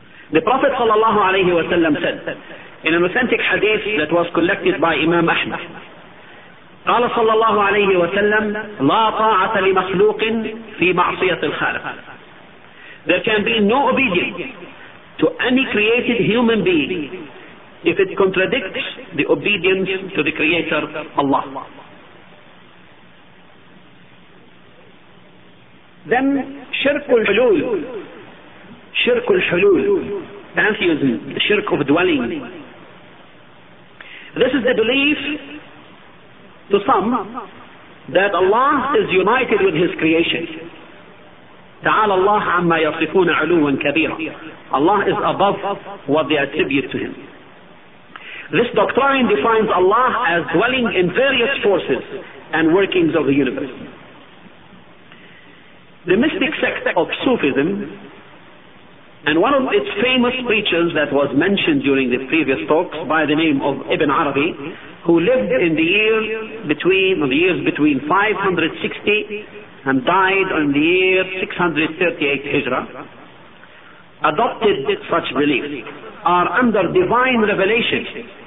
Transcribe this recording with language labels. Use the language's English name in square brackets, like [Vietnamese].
[English] The Prophet sallallahu alayhi wa sallam said in an authentic hadith that was collected by Imam Ahmad, [Arabic] قال صلى الله عليه وسلم لا طاعة لمخلوق في معصية الخالق. [English] There can be no obedience to any created human being if it contradicts the obedience to the Creator Allah. [Arabic] Then شرك الحلول. [English] شرك الحلول, pantheism, the shirk of dwelling. This is the belief to some that Allah is united with His creation. [Arabic] تعالى الله عما يصفون علوا كبيرا. [English] Allah is above what they attribute to Him. This doctrine defines Allah as dwelling in various forces and workings of the universe. The mystic sect of Sufism, and one of its famous preachers that was mentioned during the previous talks by the name of Ibn Arabi, who lived in the year between, the years between 560 and died in the year 638 Hijra, adopted such beliefs, are under divine revelation.